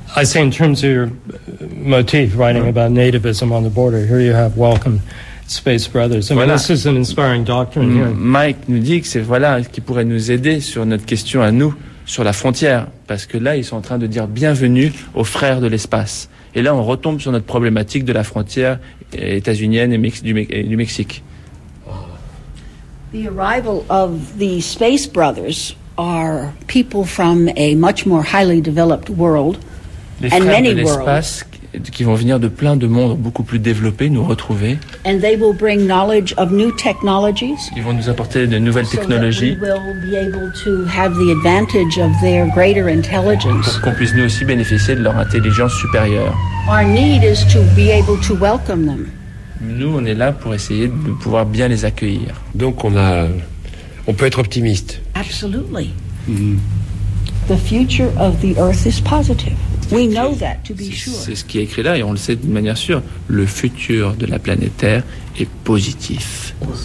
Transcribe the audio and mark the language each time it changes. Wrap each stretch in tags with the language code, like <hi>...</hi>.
<en>I say, in terms of your motif, writing about nativism on the border, here you have welcome Space Brothers. I mean, voilà. This is an inspiring doctrine. Here.</en> <fr>Mike nous dit que c'est voilà qui pourrait nous aider sur notre question à nous sur la frontière, parce que là ils sont en train de dire bienvenue aux frères de l'espace. Et là on retombe sur notre problématique de la frontière états-unienne et du Mexique.</fr> <en>The arrival of the Space Brothers are people from a much more highly developed world.</en> <fr>Les frères</fr> <en>and many</en> <fr>de l'espace</fr> <en>worlds.</en> <fr>Qui vont venir de plein de mondes beaucoup plus développés nous retrouver.</fr> <en>And they will bring knowledge of new technologies.</en> <fr>Ils vont nous apporter de nouvelles technologies.</fr> <en>So that we will be able to have the advantage of their greater intelligence.</en> <fr>Pour qu'on puisse nous aussi bénéficier de leur intelligence supérieure.</fr> <en>Our need is to be able to welcome them.</en> <fr>Nous, on est là pour essayer de pouvoir bien les accueillir. Donc on peut être optimiste.</fr> <en>Absolutely. Mm-hmm. The future of the Earth is positive. We know that, to be sure.</en> <fr>C'est ce qui est écrit là, et on le sait d'une manière sûre. Le futur de la planète Terre est positif.</fr>